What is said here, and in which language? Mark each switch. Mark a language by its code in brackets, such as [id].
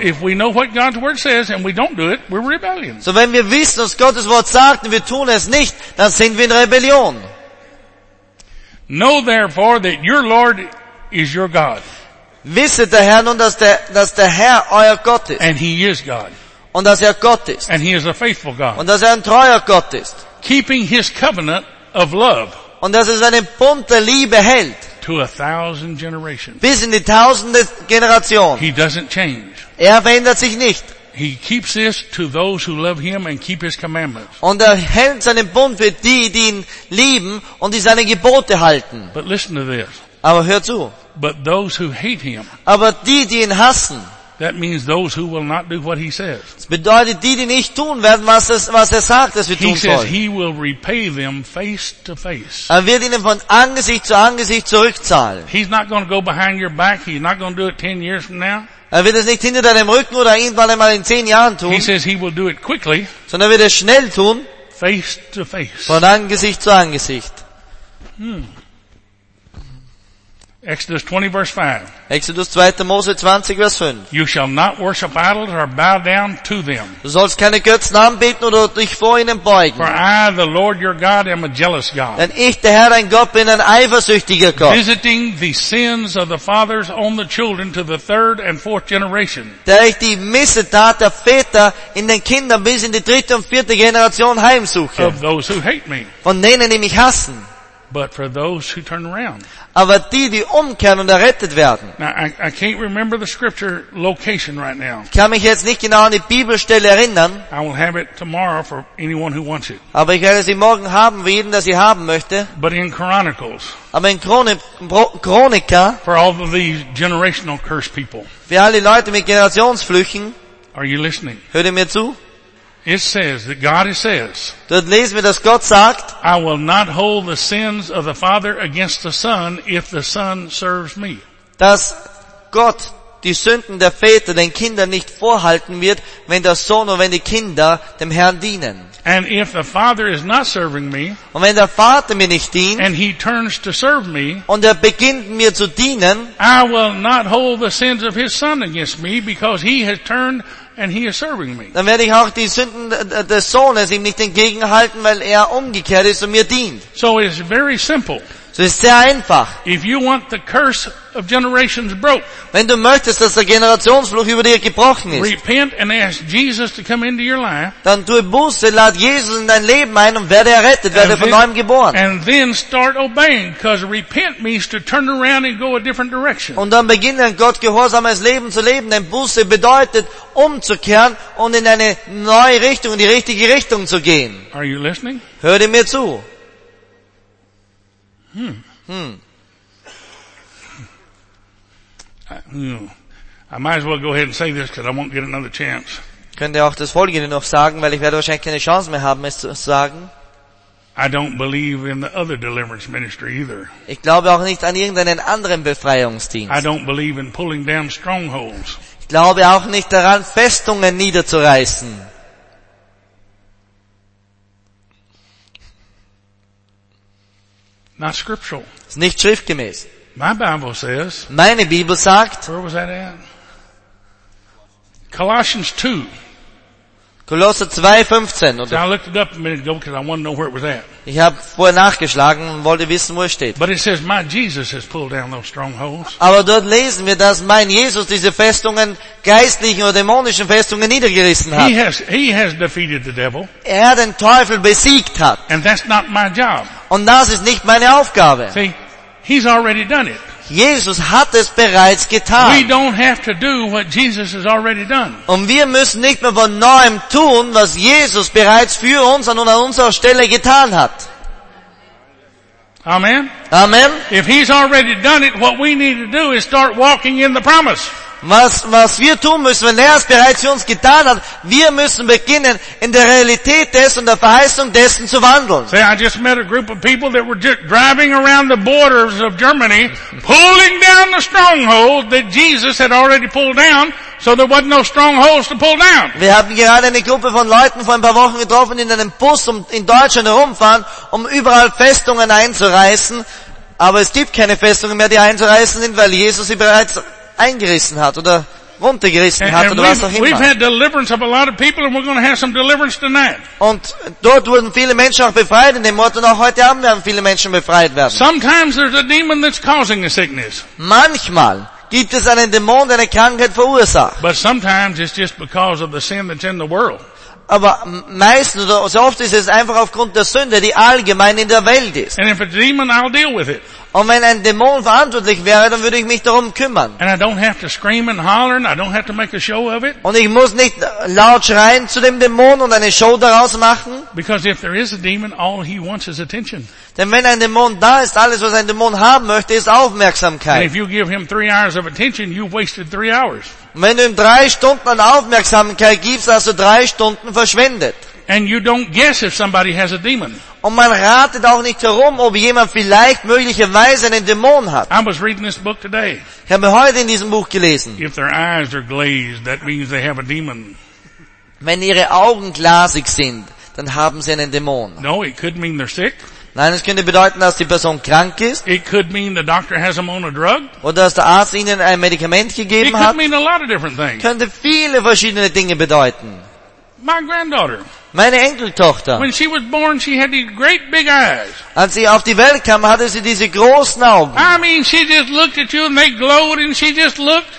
[en] So if we know what God's word says and we don't do it, we're rebellion. [de] So wenn wir wissen, was Gottes Wort sagt und wir tun es nicht, dann sind wir in Rebellion. [en] Know therefore that your Lord is your God. [de] Wisse der Herr nun, dass der Herr euer Gott ist. [en] And he is God. [de] Und dass er Gott ist. [en] And he is a faithful God. [de] Und dass er ein treuer Gott ist. [en] Keeping his covenant of love. [de] Und dass er seinen Bund der Liebe hält. [en] To a thousand generations. [de] Bis in die tausende Generation. [en] He doesn't change. [de] Er verändert sich nicht. [en] He keeps this to those who love him and keep his commandments. [de] Und er hält seinen Bund für die, die ihn lieben und die seine Gebote halten. [en] But listen to this. [de] Aber hör zu. [en] But those who hate him. [de] Aber die, die ihn hassen. [en] That means those who will not do what he says. [de] Das bedeutet, die, die nicht tun werden, was er sagt, dass wir [en] he [de] tun [en] says [de] sollen. [en] He will repay them face to face. [de] Er wird ihnen von Angesicht zu Angesicht zurückzahlen. [en] He's not going to go behind your back. He's not going to do it 10 years from now. [de] Er wird es nicht hinter deinem Rücken oder irgendwann einmal in 10 Jahren tun. [en] He says he will do it quickly. [de] Sondern er wird es schnell tun. [en] Face to face. [de] Von Angesicht zu Angesicht. [en] Exodus 20 verse 5. [de] Exodus 2. Mose 20 verse 5. [en] You shall not worship idols or bow down to them. [de] Du sollst keine Götzen anbeten oder dich vor ihnen beugen. [en] For I, the Lord your God, am a jealous God. [de] Denn ich, der Herr, dein Gott, bin ein eifersüchtiger Gott. [en] Visiting the sins of the fathers on the children to the third and fourth generation. [de] Der ich die Missetat der Väter in den Kindern bis in die dritte und vierte Generation heimsuche. [en] Of those who hate me. [de] Von denen, die mich hassen. [en] But for those who turn around. [de] Aber die, die umkehren und errettet werden. [en] Now, I can't remember the scripture location right now. [de] Ich kann mich jetzt nicht genau an die Bibelstelle erinnern. [en] I will have it tomorrow for anyone who wants it. [de] Aber ich werde sie morgen haben für jeden, der sie haben möchte. [en] But in Chronicles. [de] Aber in Chroniker. [en] For all of these generational curse people. [de] Für alle Leute mit Generationsflüchen. [en] Are you listening? [de] Hört ihr mir zu? [en] It says that God says. [de] Dort lesen wir, dass Gott sagt, [en] I will not hold the sins of the father against the son if the son serves me. [de] Dass Gott die Sünden der Väter den Kindern nicht vorhalten wird, wenn der Sohn und wenn die Kinder dem Herrn dienen. [en] And if the father is not serving me, [de] und wenn der Vater mir nicht dient, [en] and he turns to serve me, [de] und er beginnt mir zu dienen, [en] I will not hold the sins of his son against me because he has turned and he is serving me. [de] Dann werde ich auch die Sünden des Sohnes ihm nicht entgegenhalten, weil er umgekehrt ist und mir dient. [en] So it's very simple. [de] So ist sehr einfach. [en] If you want the curse of generations broke, [de] wenn du möchtest, dass der Generationsfluch über dir gebrochen ist, [en] repent and ask Jesus to come into your life. [de] Dann tue Buße, lad Jesus in dein Leben ein und werde errettet, werde von neuem geboren. [en] And then start obeying, because repent means to turn around and go a different direction. [de] Und dann beginne, Gott gehorsames Leben zu leben. Denn Buße bedeutet umzukehren und in eine neue Richtung, in die richtige Richtung zu gehen. [en] Are you listening? [de] Hör dir mir zu. [en] I might as well go ahead and say this because I won't get another chance. [de] Könnte auch das Folgende noch sagen, weil ich werde wahrscheinlich keine Chance mehr haben, es zu sagen. [en] I don't believe in the other deliverance ministry either. [de] Ich glaube auch nicht an irgendeinen anderen Befreiungsdienst. [en] I don't believe in pulling down strongholds. [de] Ich glaube auch nicht daran, Festungen niederzureißen. [en] Not scriptural. [de] Ist nicht schriftgemäß. [en] My Bible says. [de] Meine Bibel sagt. [en] Where was that at? Colossians 2. [de] Kolosser 2:15. [en] So I looked it up a minute ago because I wanted to know where it was at. [de] Ich habe vorher nachgeschlagen und wollte wissen, wo es steht. [en] But it says, my Jesus has pulled down those strongholds. [de] Aber dort lesen wir, dass mein Jesus diese Festungen, geistlichen oder dämonischen Festungen, niedergerissen hat. [en] He has defeated the devil. [de] Er den Teufel besiegt hat. [en] And that's not my job. [de] Und das ist nicht meine Aufgabe. [en] See, he's already done it. [de] Jesus hat es bereits getan. [en] We don't have to do what Jesus has already done. [de] Und wir müssen nicht mehr von neuem tun, was Jesus bereits für uns und an unserer Stelle getan hat. [en] Amen. [de] Amen. [en] If he's already done it, what we need to do is start walking in the promise. [de] Was wir tun müssen, wenn er es bereits für uns getan hat, wir müssen beginnen, in der Realität dessen und der Verheißung dessen zu wandeln. [en] See, I just met a group of people that were just driving around the borders of Germany, pulling down the stronghold that Jesus had already pulled down, so there wasn't no strongholds to pull down. [de] Wir haben gerade eine Gruppe von Leuten vor ein paar Wochen getroffen, die in einem Bus in Deutschland herumfahren, um überall Festungen einzureißen, aber es gibt keine Festungen mehr, die einzureißen sind, weil Jesus sie bereits eingerissen hat oder runtergerissen hat oder was auch immer. [en] We've had deliverance of a lot of people and we're going to have some deliverance tonight. [de] Und dort wurden viele Menschen auch befreit in dem Ort und auch heute Abend werden viele Menschen befreit werden. [en] Sometimes there's a demon that's causing a sickness. [de] Manchmal gibt es einen Dämon, der eine Krankheit verursacht. [en] But sometimes it's just because of the sin that's in the world. [de] Aber meistens oder so oft ist es einfach aufgrund der Sünde, die allgemein in der Welt ist. [en] And if a demon, I'll deal with it. [de] Und wenn ein Dämon verantwortlich wäre, dann würde ich mich darum kümmern. [en] And I don't have to scream and holler and I don't have to make a show of it. [de] Und ich muss nicht laut schreien zu dem Dämon und eine Show daraus machen. [en] Because if there is a demon, all he wants is attention. [de] Denn wenn ein Dämon da ist, alles was ein Dämon haben möchte, ist Aufmerksamkeit. [en] And if you give him 3 hours of attention, you've wasted 3 hours. [de] Wenn du ihm 3 Stunden an Aufmerksamkeit gibst, hast du 3 Stunden verschwendet. [en] And you don't guess if somebody has a demon. [de] Und man ratet auch nicht herum, ob jemand vielleicht möglicherweise einen Dämon hat. [en] I was reading this book today. [de] Ich habe heute in diesem Buch gelesen. [en] If their eyes are glazed, that means they have a demon. [de] Wenn ihre Augen glasig sind, dann haben sie einen Dämon. [en] No, it could mean they're sick. [de] Nein, es könnte bedeuten, dass die Person krank ist. [en] It could mean the doctor has them on a drug. [de] Oder dass der Arzt ihnen ein Medikament gegeben hat. [en] It could mean a lot of different things. [de] Könnte viele verschiedene Dinge bedeuten. [en] My granddaughter. [de] Meine Enkeltochter. [en] When she was born, she had these great big eyes. [de] Als sie auf die Welt kam, hatte sie diese großen Augen. [en] I mean, she just looked at you and they glowed and she just looked.